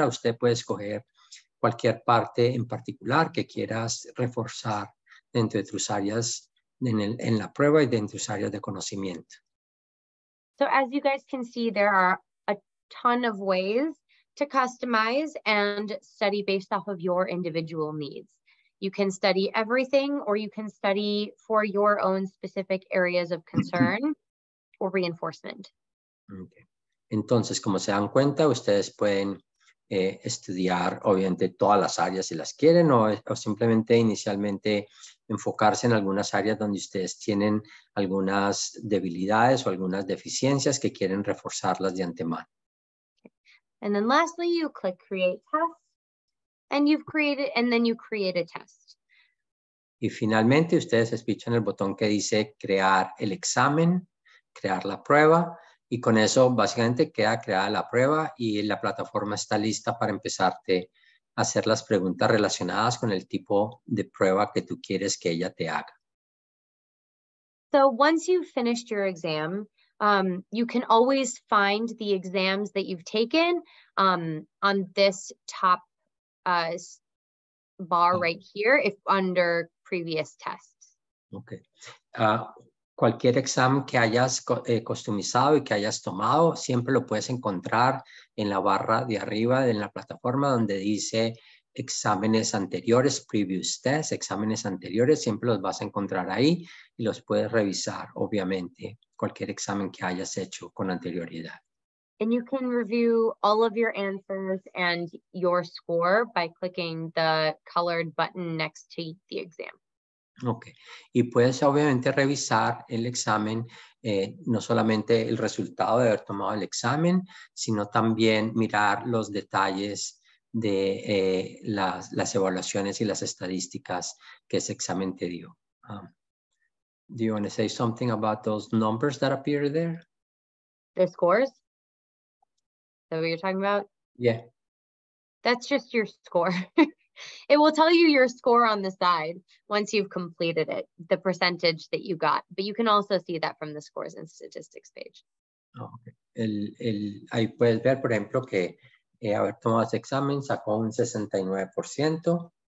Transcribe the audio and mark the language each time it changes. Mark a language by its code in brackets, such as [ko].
[es] Usted puede escoger cualquier parte en particular que quieras reforzar dentro de tus áreas en la prueba y dentro de tus áreas de conocimiento. [en] So as you guys can see, there are a ton of ways to customize and study based off of your individual needs. You can study everything, or you can study for your own specific areas of concern or reinforcement. Okay. [es] Entonces, como se dan cuenta, ustedes pueden estudiar, obviamente, todas las áreas si las quieren, o simplemente inicialmente enfocarse en algunas áreas donde ustedes tienen algunas debilidades o algunas deficiencias que quieren reforzarlas de antemano. [en] And then lastly, you click create test, and then you create a test. [es] Y finalmente, ustedes escuchan el botón que dice crear el examen, crear la prueba, y con eso básicamente queda creada la prueba y la plataforma está lista para empezarte a hacer las preguntas relacionadas con el tipo de prueba que tú quieres que ella te haga. [en] So once you've finished your exam, you can always find the exams that you've taken on this top bar right here, if under previous tests. Okay. [es] Cualquier examen que hayas customizado y que hayas tomado, siempre lo puedes encontrar en la barra de arriba de la plataforma donde dice exámenes anteriores, [en] previous tests, [es] exámenes anteriores, siempre los vas a encontrar ahí y los puedes revisar, obviamente, cualquier examen que hayas hecho con anterioridad. [en] And you can review all of your answers and your score by clicking the colored button next to the exam. [es] Ok, y puedes obviamente revisar el examen, no solamente el resultado de haber tomado el examen, sino también mirar los detalles de las evaluaciones y las estadísticas que ese examen te dio. [en] Do you want to say something about those numbers that appear there? The scores? Is that what you're talking about? Yeah. That's just your score. It will tell you your score on the side once you've completed it, the percentage that you got. But you can also see that from the scores and statistics page. Okay. [es] Ahí puedes ver, por ejemplo, que haber tomado ese examen sacó un 69%.